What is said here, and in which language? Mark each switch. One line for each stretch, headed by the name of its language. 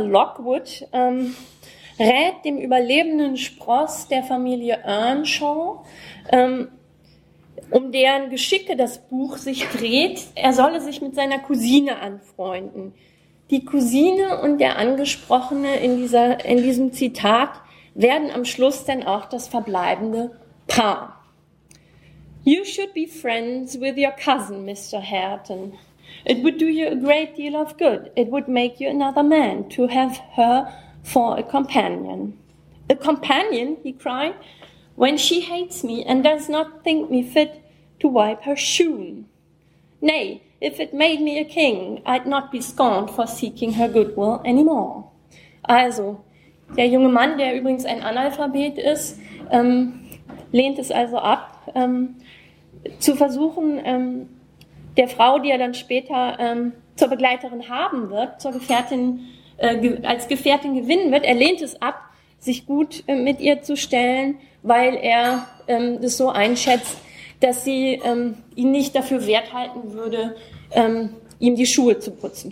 German: Lockwood, rät dem überlebenden Spross der Familie Earnshaw, um deren Geschicke das Buch sich dreht, er solle sich mit seiner Cousine anfreunden. Die Cousine und der Angesprochene in diesem Zitat werden am Schluss dann auch das verbleibende Paar.
English: You should be friends with your cousin, Mr. Hareton. It would do you a great deal of good. It would make you another man to have her for a companion. A companion, he cried, when she hates me and does not think me fit to wipe her shoon. Nay, if it made me a king, I'd not be scorned for seeking her goodwill any more.
German: Also, der junge Mann, der übrigens ein Analphabet ist, lehnt es also ab, zu versuchen, der Frau, die er dann später zur Begleiterin haben wird, zur Gefährtin, als Gefährtin gewinnen wird, er lehnt es ab, sich gut mit ihr zu stellen, weil er das so einschätzt, dass sie ihn nicht dafür wert halten würde, ihm die Schuhe zu putzen.